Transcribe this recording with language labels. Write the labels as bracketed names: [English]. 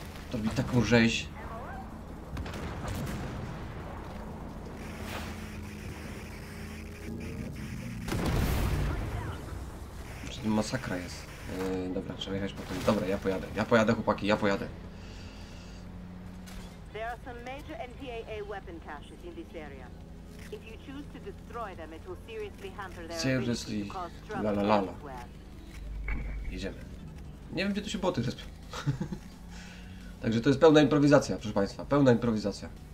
[Polish] To robi taką rzeź. Masakra jest. Dobra, trzeba jechać po tym. Dobra, ja pojadę. Ja pojadę, chłopaki, ja pojadę. [English] There are some major NTAA weapon caches in this area. If you choose to destroy them, it will seriously hamper their ability to cause trouble. [Polish] Lalalala. Idziemy. Nie wiem, gdzie tu się boty rozpią. Także to jest pełna improwizacja, proszę państwa. Pełna improwizacja.